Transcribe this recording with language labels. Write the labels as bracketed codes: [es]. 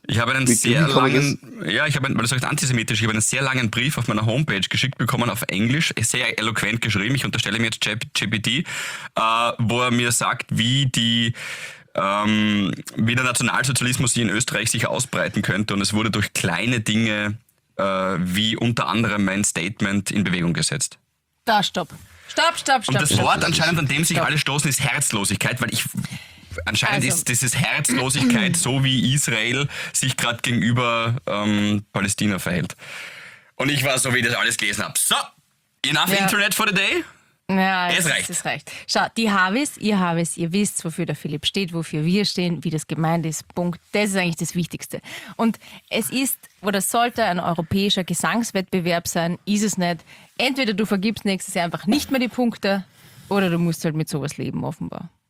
[de] Ich habe einen sehr langen Brief auf meiner Homepage geschickt bekommen, auf Englisch, sehr eloquent geschrieben, ich unterstelle mir jetzt GPT, wo er mir sagt, wie der Nationalsozialismus hier in Österreich sich ausbreiten könnte, und es wurde durch kleine Dinge, wie unter anderem mein Statement, in Bewegung gesetzt. Da, stopp. Stopp, stopp, stopp. Und das Wort anscheinend, an dem sich alle stoßen, ist Herzlosigkeit, weil ich... Anscheinend also, ist dieses Herzlosigkeit, so wie Israel sich gerade gegenüber Palästina verhält. Und ich war so, wie ich das alles gelesen habe. [en] So, enough Internet for the day. [de] Ja, es reicht. Schaut, die Havis, ihr wisst, wofür der Philipp steht, wofür wir stehen, wie das gemeint ist, Punkt. Das ist eigentlich das Wichtigste. Und es ist oder sollte ein europäischer Gesangswettbewerb sein, ist es nicht. Entweder du vergibst nächstes Jahr einfach nicht mehr die Punkte oder du musst halt mit sowas leben, offenbar.